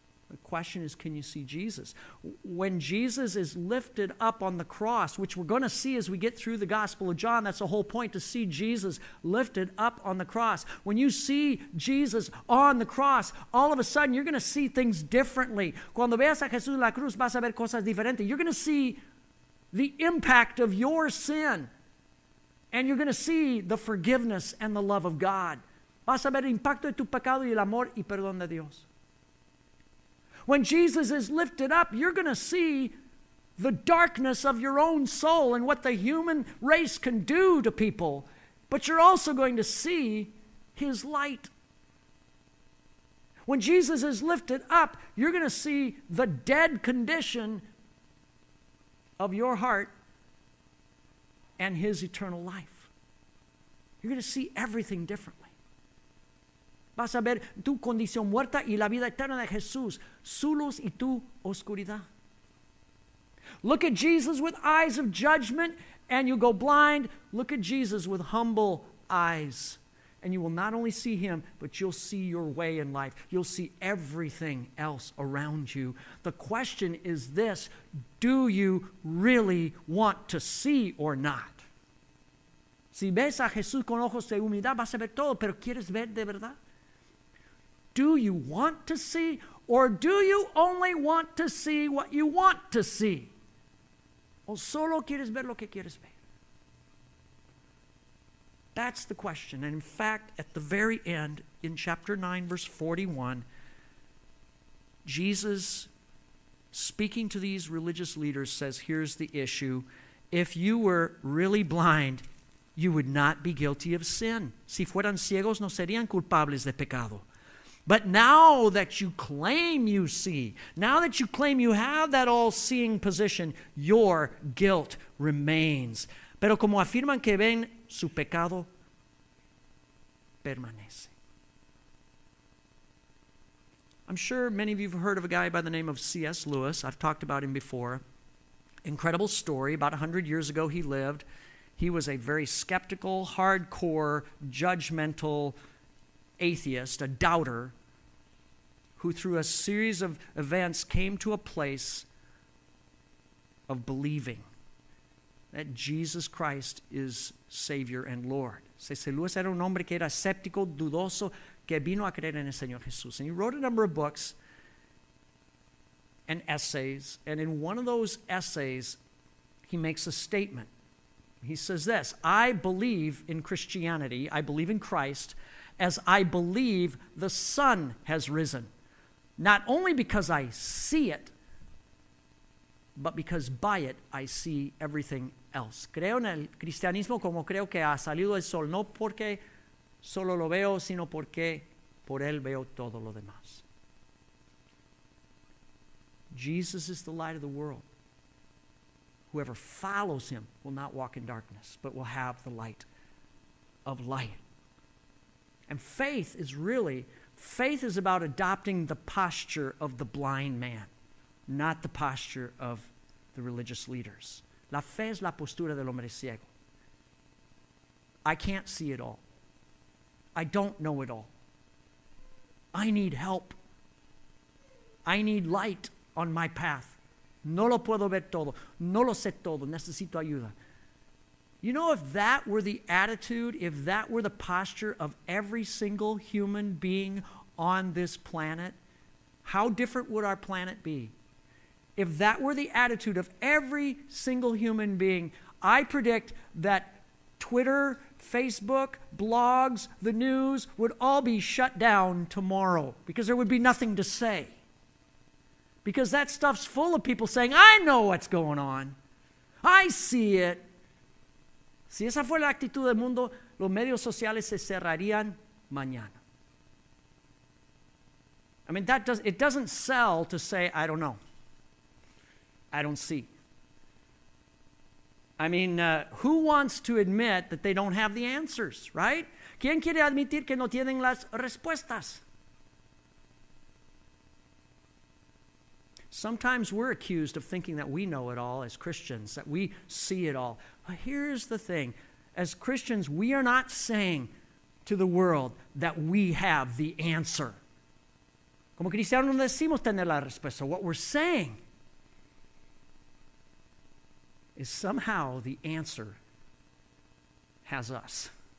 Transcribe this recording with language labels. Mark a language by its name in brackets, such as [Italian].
[English] The question is, can you see Jesus? When Jesus is lifted up on the cross, which we're going to see as we get through the Gospel of John, that's the whole point, to see Jesus lifted up on the cross. When you see Jesus on the cross, all of a sudden you're going to see things differently. [Spanish] Cuando veas a Jesús en la cruz, vas a ver cosas diferentes. [English] You're going to see the impact of your sin, and you're going to see the forgiveness and the love of God. [Spanish] Vas a ver el impacto de tu pecado y el amor y perdón de Dios. [English] When Jesus is lifted up, you're going to see the darkness of your own soul and what the human race can do to people. But you're also going to see his light. When Jesus is lifted up, you're going to see the dead condition of your heart and his eternal life. You're going to see everything differently. [Spanish] Vas a ver tu condición muerta y la vida eterna de Jesús, su luz y tu oscuridad. [English] Look at Jesus with eyes of judgment and you go blind. Look at Jesus with humble eyes and you will not only see him, but you'll see your way in life. You'll see everything else around you. The question is this: do you really want to see or not? [Spanish] Si ves a Jesús con ojos de humildad, vas a ver todo, pero ¿quieres ver de verdad? [English] Do you want to see, or do you only want to see what you want to see? [Spanish] ¿O solo quieres ver lo que quieres ver? [English] That's the question. And in fact, at the very end, in chapter 9, verse 41, Jesus, speaking to these religious leaders, says, here's the issue. If you were really blind, you would not be guilty of sin. [Spanish] Si fueran ciegos, no serían culpables de pecado. [English] But now that you claim you see, now that you claim you have that all-seeing position, your guilt remains. [Spanish] Pero como afirman que ven su pecado, permanece. [English] I'm sure many of you have heard of a guy by the name of C.S. Lewis. I've talked about him before. Incredible story. About 100 years ago, he lived. He was a very skeptical, hardcore, judgmental atheist, a doubter, who through a series of events came to a place of believing that Jesus Christ is Savior and Lord. C.S. [Spanish] Lewis era un hombre que era escéptico, dudoso, que vino a creer en el Señor Jesús. [English] And he wrote a number of books and essays. And in one of those essays, he makes a statement. He says this: I believe in Christianity, I believe in Christ, as I believe the sun has risen. Not only because I see it, but because by it I see everything else. Creo en el cristianismo como creo que ha salido el sol, no porque solo lo veo, sino porque por él veo todo lo demás. Jesus is the light of the world. Whoever follows him will not walk in darkness, but will have the light of life. And faith is about adopting the posture of the blind man, not the posture of the religious leaders. [Spanish] La fe es la postura del hombre ciego. [English] I can't see it all. I don't know it all. I need help. I need light on my path. [Spanish] No lo puedo ver todo. No lo sé todo. Necesito ayuda. [English] You know, if that were the attitude, if that were the posture of every single human being on this planet, how different would our planet be? If that were the attitude of every single human being, I predict that Twitter, Facebook, blogs, the news would all be shut down tomorrow because there would be nothing to say. Because that stuff's full of people saying, I know what's going on. I see it. [Spanish] Si esa fuera la actitud del mundo, los medios sociales se cerrarían mañana. [English] I mean, it doesn't sell to say, I don't know. I don't see. I mean, who wants to admit that they don't have the answers, right? [Spanish] ¿Quién quiere admitir que no tienen las respuestas? [English] Sometimes we're accused of thinking that we know it all as Christians, that we see it all. But here's the thing. As Christians, we are not saying to the world that we have the answer. [Spanish] Como cristianos no decimos tener la respuesta. [English] What we're saying is somehow the answer has us.